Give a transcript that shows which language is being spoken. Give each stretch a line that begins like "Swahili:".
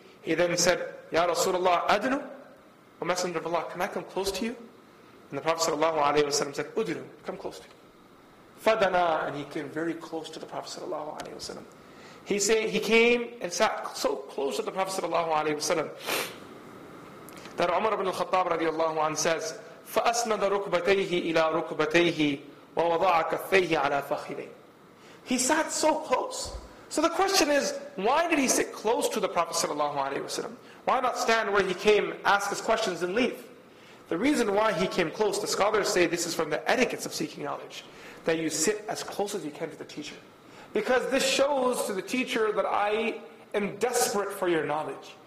English: He then said, "Ya Rasulullah, adnu." "O Messenger of Allah, can I come close to you?" And the Prophet sallallahu alayhi wa sallam said, "Udru, come close to me." Fadana, and he came very close to the Prophet sallallahu alayhi wa sallam. He came and sat so close to the Prophet sallallahu alayhi wa sallam that Umar ibn al-Khattab radiallahu anhu says,
Arabic: فأسند ركبتيه إلى ركبتيه ووضع كفيه على فخذيه.
English: He sat so close. So the question is, why did he sit close to the Prophet sallallahu alaihi wasallam? Why not stand where he came, ask his questions, and leave? The reason why he came close, the scholars say this is from the etiquettes of seeking knowledge, that you sit as close as you can to the teacher. Because this shows to the teacher that I am desperate for your knowledge.